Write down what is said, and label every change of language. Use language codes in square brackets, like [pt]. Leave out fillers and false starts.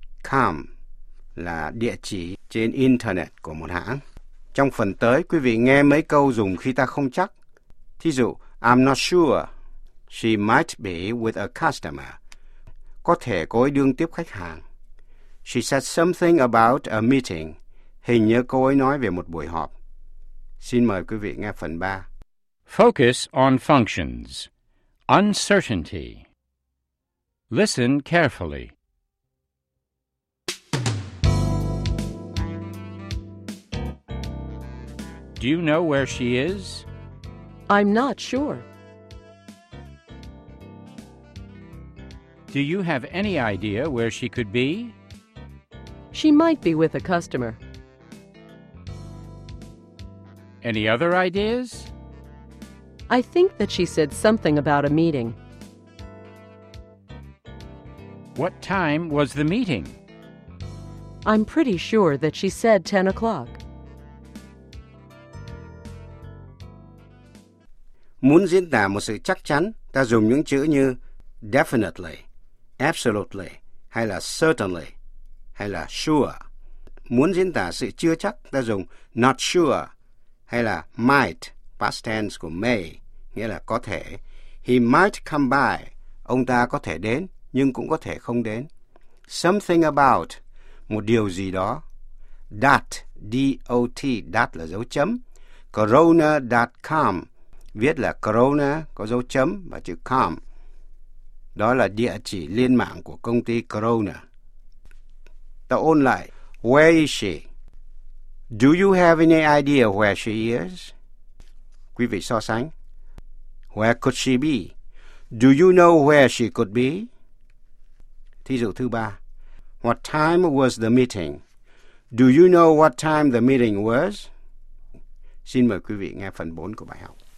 [vi] .com là địa chỉ trên Internet của một hãng. Trong phần tới, quý vị nghe mấy câu dùng khi ta không chắc. Thí dụ, [en] I'm not sure. She might be with a customer. [vi] Có thể cô ấy đương tiếp khách hàng. [en] She said something about a meeting. [vi] Hình như cô ấy nói về một buổi họp. Xin mời quý vị nghe phần 3. [en] Focus on functions. Uncertainty. Listen carefully. Do you know where she is? I'm not sure. Do you have any idea where she could be? She might be with a customer. Any other ideas? I think that she said something about a meeting. What time was the meeting? I'm pretty sure that she said 10 o'clock. [vi] Muốn diễn tả một sự chắc chắn, ta dùng những chữ như definitely, absolutely, hay là certainly, hay là sure. Muốn diễn tả sự chưa chắc, ta dùng not sure, hay là might, past tense của may, nghĩa là có thể. [en] He might come by, [vi] ông ta có thể đến, nhưng cũng có thể không đến. [en] Something about, [vi] một điều gì đó. That, D-O-T, that là dấu chấm. Corona.com, viết là Corona, có dấu chấm và chữ com. Đó là địa chỉ liên mạng của công ty Corona. Ta ôn lại. [en] Where is she? Do you have any idea where she is? [vi] Quý vị so sánh. [en] Where could she be? Do you know where she could be? [vi] Thí dụ thứ ba. [en] What time was the meeting? Do you know what time the meeting was? [vi] Xin mời quý vị nghe phần 4 của bài học.